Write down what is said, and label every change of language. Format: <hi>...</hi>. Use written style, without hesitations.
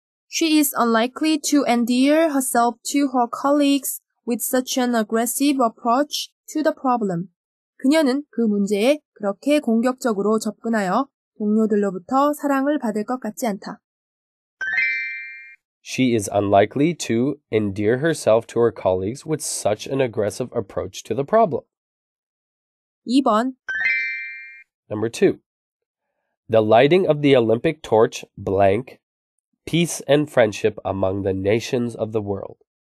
<en>She is unlikely to endear herself to her colleagues with such an aggressive approach to the problem.</en> <ko>그녀는 그 문제에 그렇게 공격적으로 접근하여 동료들로부터 사랑을 받을 것 같지 않다.</ko> <en>She is unlikely to endear herself to her colleagues with such an aggressive approach to the problem.</en> <ko>2번.</ko> <en>Number 2. The lighting of the Olympic torch, blank, peace and friendship among the nations of the world.</en>